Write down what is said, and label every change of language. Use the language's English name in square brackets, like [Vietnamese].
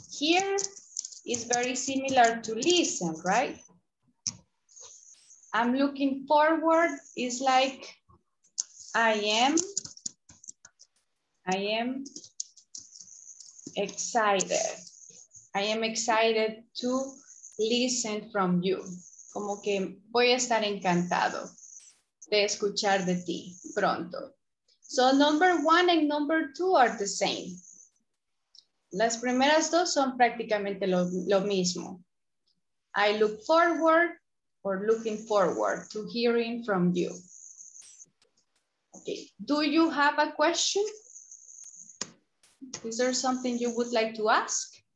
[English] Hear is very similar to listen, right? I'm looking forward is like I am excited. I am excited to listen from you. [Spanish] Como que voy a estar encantado de escuchar de ti pronto. [English] So number one and number two are the same. [Spanish] Las primeras dos son prácticamente lo mismo. [English] I look forward or looking forward to hearing from you. Okay. Do you have a question? Is there something you would like to ask?